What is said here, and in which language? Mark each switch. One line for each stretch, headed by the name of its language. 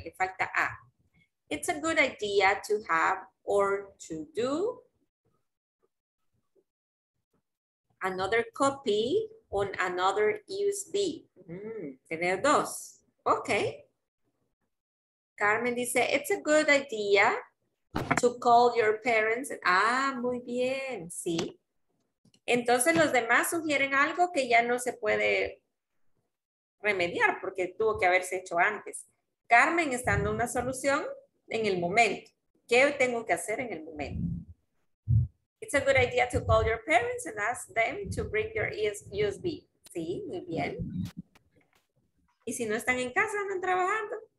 Spanish: Le falta a.
English: It's a good idea to have or to do another copy on another USB.
Spanish: Tener dos.
English: Okay. Carmen dice, it's a good idea to call your parents.
Spanish: Ah, muy bien. Sí. Entonces los demás sugieren algo que ya no se puede remediar porque tuvo que haberse hecho antes. Carmen está dando una solución en el momento. ¿Qué tengo que hacer en el momento?
English: It's a good idea to call your parents and ask them to bring your USB.
Spanish: Sí, muy bien. ¿Y si no están en casa, andan trabajando?